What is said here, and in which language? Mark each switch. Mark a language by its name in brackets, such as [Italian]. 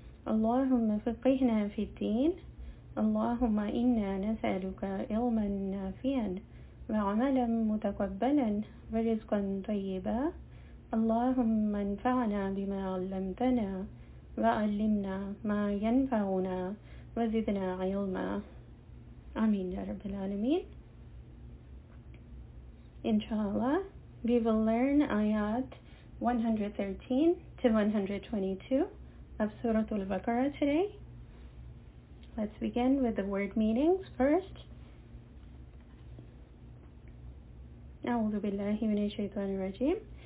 [Arabic] اللهم فقهنا في الدين. اللهم إنا نسألك علما نافعا وعملا متقبلا ورزقا طيبا. اللهم انفعنا بما علمتنا وعلمنا ما ينفعنا وزدنا علما. آمين يا رب العالمين. [English] إن شاء الله we will learn آيات 113 to 122 of سورة البقرة today. Let's begin with the word meanings first. [Arabic] أعوذ بالله من الشيطان الرجيم.